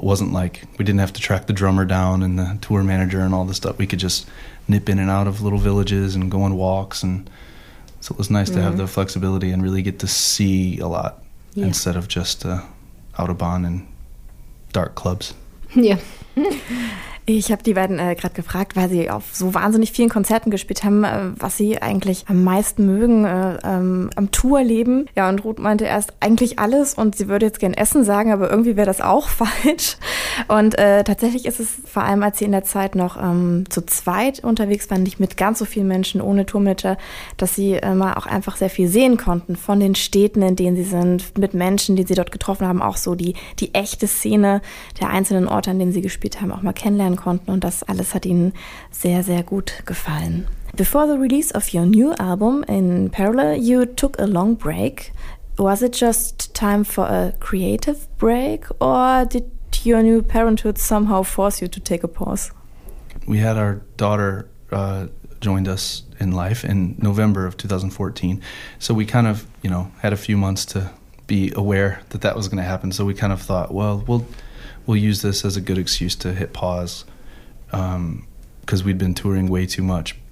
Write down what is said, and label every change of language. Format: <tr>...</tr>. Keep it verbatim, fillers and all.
<en>It wasn't like, we didn't have to track the drummer down and the tour manager and all this stuff. We could just nip in and out of little villages and go on walks, and so it was nice mm-hmm. to have the flexibility and really get to see a lot yeah. instead of just uh, Autobahn and dark clubs. Yeah.</en> <de>Ich habe die beiden äh, gerade gefragt, weil sie auf so wahnsinnig vielen Konzerten gespielt haben, äh, was sie eigentlich am meisten mögen äh, ähm, am Tourleben. Ja, und Ruth meinte erst eigentlich alles und sie würde jetzt gern Essen sagen, aber irgendwie wäre das auch falsch. Und äh, tatsächlich ist es vor allem, als sie in der Zeit noch ähm, zu zweit unterwegs waren, nicht mit ganz so vielen Menschen, ohne Tourmanager, dass sie immer auch einfach sehr viel sehen konnten von den Städten, in denen sie sind, mit Menschen, die sie dort getroffen haben, auch so die, die echte Szene der einzelnen Orte, an denen sie gespielt haben, auch mal kennenlernen konnten, und das alles hat ihnen sehr, sehr gut gefallen.</de> <en>Before the release of your new album In Parallel, you took a long break. Was it just time for a creative break, or did your new parenthood somehow force you to take a pause? We had our daughter uh, joined us in life in November of twenty fourteen, so we kind of, you know, had a few months to be aware that that was going to happen, so we kind of thought, well, we'll We'll use this as a good excuse to hit pause, um, because we'd been touring way too much.</en>